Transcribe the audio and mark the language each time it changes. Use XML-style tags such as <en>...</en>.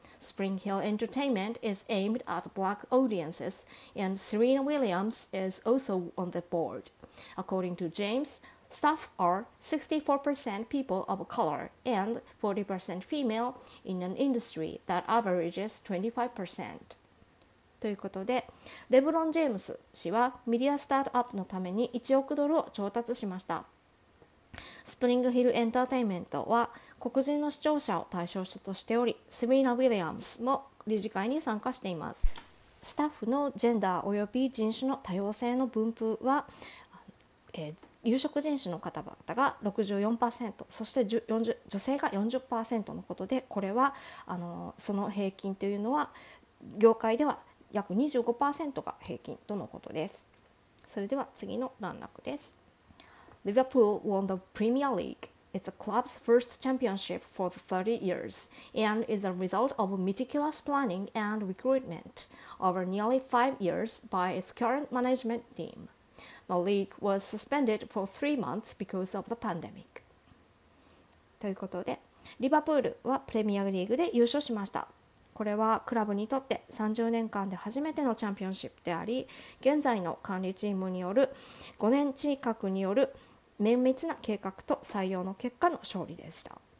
<en>Spring Hill Entertainment is aimed at black audiences, and Serena Williams is also on the board. According to James, staff are 64% people of color and 40% female in an industry that averages 25%.</en> <ja>ということで、レブロン・ジェームズ氏はメディアスタートアップのために1億ドルを調達しました。スプリングヒルエンターテインメントは黒人の視聴者を対象者としており、セリーナ・ウィリアムズも理事会に参加しています。スタッフのジェンダーおよび人種の多様性の分布は、有色人種の方々が 64%、 そして女性が 40% のことで、これはその平均というのは業界では約 25% が平均とのことです。それでは次の段落です。</ja> <en>Liverpool won the Premier League. It's a club's first championship for 30 years and is a result of meticulous planning and recruitment over nearly 5 years by its current management team. The league was suspended for 3 months because of the pandemic.</en> <ja>ということで、リバプールはプレミアリーグで優勝しました。これはクラブにとって30年間で初めてのチャンピオンシップであり、現在の管理チームによる5年近くによる綿密な計画と採用の結果の勝利でした。</ja>